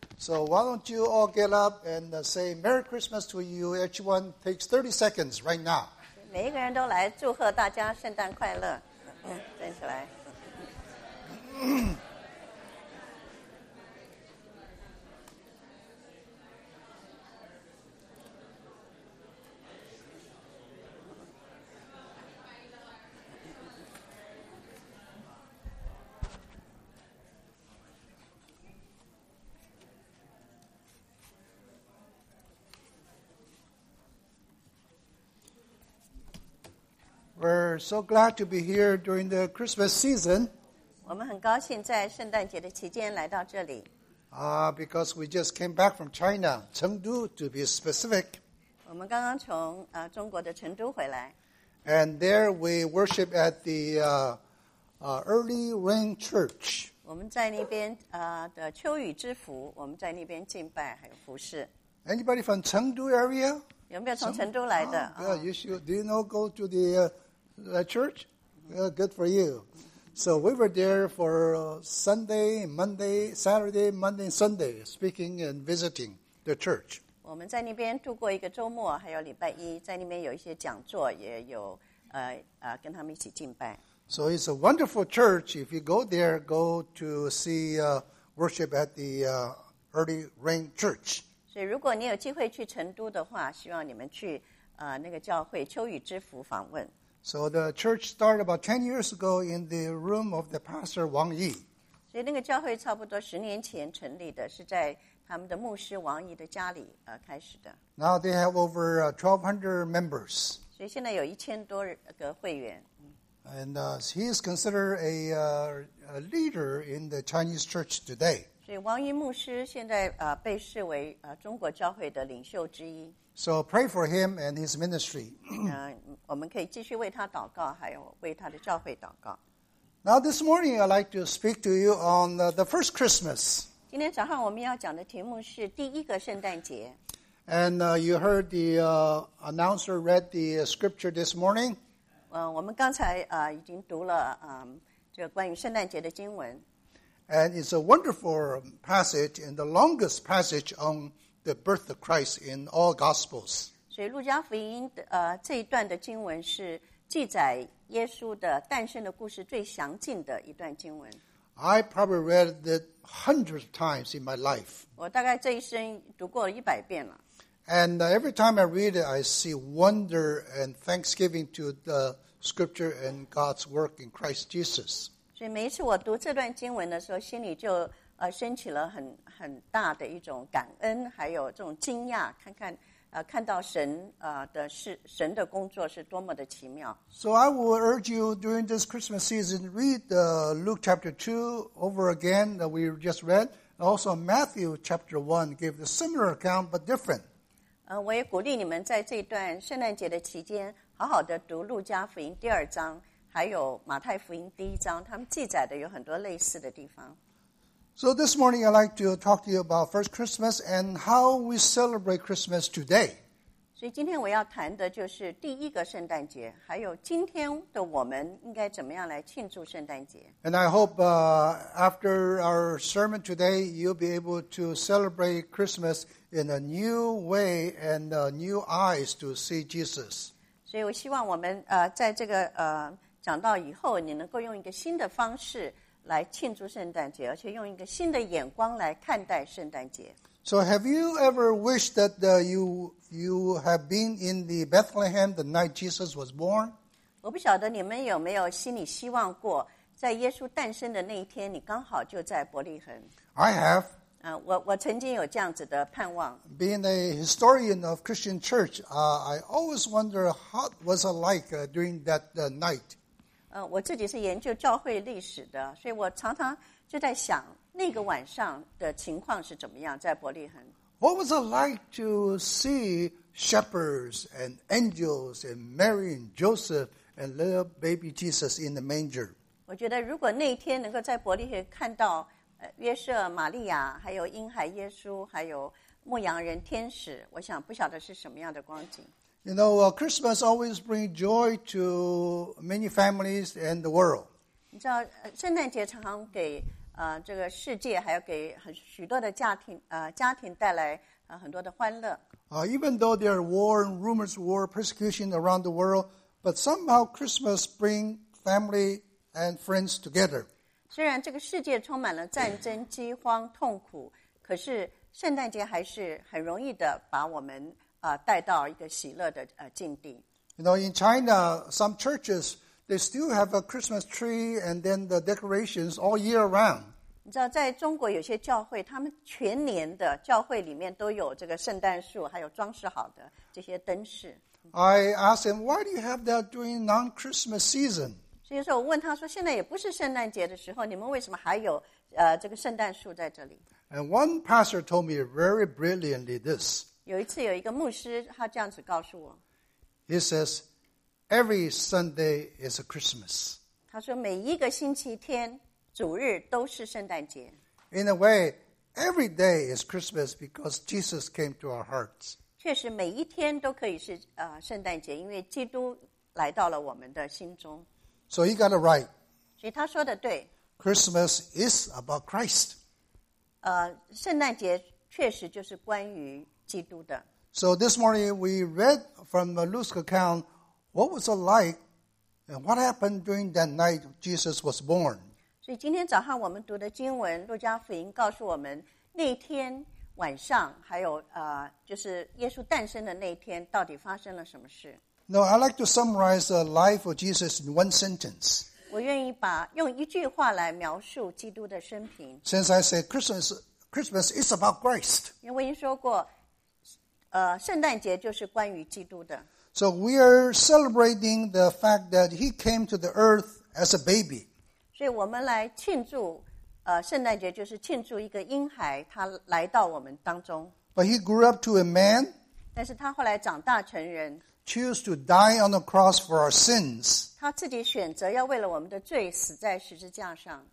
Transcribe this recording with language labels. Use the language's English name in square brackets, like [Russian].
[English] So why don't you all get up and say Merry Christmas to you? Each one takes 30 seconds right now. [Chinese] 每一个人都来祝贺大家圣诞快乐，站起来。 [English] We're so glad to be here during the Christmas season. [Chinese] 我们很高兴在圣诞节的期间来到这里。 [English] Because we just came back from China, Chengdu to be specific. [Chinese] 我们刚刚从中国的成都回来。 [English] And there we worship at the Early Rain Church. [Chinese] 我们在那边的秋雨之福，我们在那边敬拜还有服侍。 [English] Anybody from Chengdu area? [Chinese] 有没有从成都来的？ [English] Do you know go to the church? Well, good for you. So we were there for Sunday, Monday, Saturday, Monday, Sunday, speaking and visiting the church. [Chinese] 我们在那边度过一个周末，还有礼拜一，在那边有一些讲座，也有跟他们一起敬拜。 [English] So it's a wonderful church. If you go there, go to see worship at the Early Rain Church. [Chinese] 所以如果你有机会去成都的话，希望你们去那个教会秋雨之福访问。 [English] So the church started about 10 years ago in the room of the pastor Wang Yi. [Chinese] 所以那个教会差不多十年前成立的，是在他们的牧师王毅的家里开始的。 [English] Now they have over 1,200 members. [Chinese] 所以现在有一千多个会员。 [English] And he is considered a leader in the Chinese church today. [Chinese] 所以王毅牧师现在被视为中国教会的领袖之一。 [English] So pray for him and his ministry. [Chinese] 我们可以继续为他祷告，还有为他的教会祷告。 [English] Now this morning, I'd like to speak to you on the first Christmas. [Chinese] 今天早上我们要讲的题目是第一个圣诞节。 [English] And you heard the announcer read the scripture this morning. [Chinese] 我们刚才已经读了这个关于圣诞节的经文。 [English] And it's a wonderful passage and the longest passage on the birth of Christ in all Gospels. [Chinese] 所以路加福音这一段的经文是记载耶稣的诞生的故事最详尽的一段经文。 [English] I probably read it hundreds of times in my life. [Chinese] 我大概这一生读过一百遍了。 [English] And every time I read it, I see wonder and thanksgiving to the scripture and God's work in Christ Jesus. [Chinese] 所以每一次我读这段经文的时候，心里就升起了很大的一种感恩，还有这种惊讶，看到神的事，神的工作是多么的奇妙。 [English] So I will urge you during this Christmas season, read Luke chapter 2 over again that we just read, and also Matthew chapter 1 gave the similar account but different. [Chinese] 我也鼓励你们在这段圣诞节的期间，好好的读路加福音第二章，还有马太福音第一章，他们记载的有很多类似的地方。 [English] So this morning, I'd like to talk to you about First Christmas and how we celebrate Christmas today. [Chinese] 所以今天我要谈的就是第一个圣诞节，还有今天的我们应该怎么样来庆祝圣诞节。 [English] And I hope after our sermon today, you'll be able to celebrate Christmas in a new way and new eyes to see Jesus. [Chinese] 所以我希望我们在这个讲到以后，你能够用一个新的方式来庆祝圣诞节，而且用一个新的眼光来看待圣诞节。 [English] So have you ever wished that you have been in the Bethlehem the night Jesus was born? [Chinese] 我不晓得你们有没有心里希望过，在耶稣诞生的那一天，你刚好就在伯利恒。 [English] I have. [Chinese] 我曾经有这样子的盼望。 [English] Being a historian of Christian church, I always wonder how it was like during that night. [Chinese] 我自己是研究教会历史的，所以我常常就在想那个晚上的情况是怎么样，在伯利恒。 [English] What was it like to see shepherds and angels and Mary and Joseph and little baby Jesus in the manger? [Chinese] 我觉得如果那天能够在伯利恒看到约瑟、玛利亚，还有婴孩耶稣，还有牧羊人、天使，我想不晓得是什么样的光景。 [English] You know, Christmas always brings joy to many families and the world. [Chinese] 你知道，圣诞节常常给这个世界还要给许多的家庭家庭带来很多的欢乐。 [English] Even though there are war and rumors of war, persecution around the world, but somehow Christmas brings family and friends together. [Chinese] 虽然这个世界充满了战争、饥荒、痛苦，可是圣诞节还是很容易的把我们带到一个喜乐的境地。 [English] You know, in China, some churches, they still have a Christmas tree and then the decorations all year round. [Chinese] 你知道在中国有些教会，他们全年的教会里面都有这个圣诞树，还有装饰好的这些灯饰。 [English] I asked him, why do you have that during non-Christmas season? [Chinese] 所以说我问他说，现在也不是圣诞节的时候，你们为什么还有这个圣诞树在这里？ [English] And one pastor told me very brilliantly this. [Chinese] 有一次有一个牧师，他这样子告诉我。 [English] He says, every Sunday is a Christmas. [Chinese] 他说每一个星期天主日都是圣诞节。 [English] In a way, every day is Christmas because Jesus came to our hearts. [Chinese] 确实每一天都可以是圣诞节，因为基督来到了我们的心中。 [English] So he got it right. [Chinese] 所以他说的对。 [English] Christmas is about Christ. [Chinese] 圣诞节确实就是关于基督的。 [English] So this morning we read from Luke's account what was it like and what happened during that night Jesus was born. [Chinese] 所以今天早上我们读的经文路加福音告诉我们那天晚上还有就是耶稣诞生的那天到底发生了什么事。 [English] No, I'd like to summarize the life of Jesus in one sentence. [Chinese] 我愿意把用一句话来描述基督的生平。 [English] Since I said Christmas is about Christ. [Chinese] 因为我已经说过圣诞节就是关于基督的。 [English] So we are celebrating the fact that he came to the earth as a baby. [Chinese] 所以我们来庆祝圣诞节就是庆祝一个婴孩他来到我们当中。 [English] But he grew up to a man. [Chinese] 但是他后来长大成人。 [English] Choose to die on the cross for our sins. [Chinese] 他自己选择要为了我们的罪死在十字架上。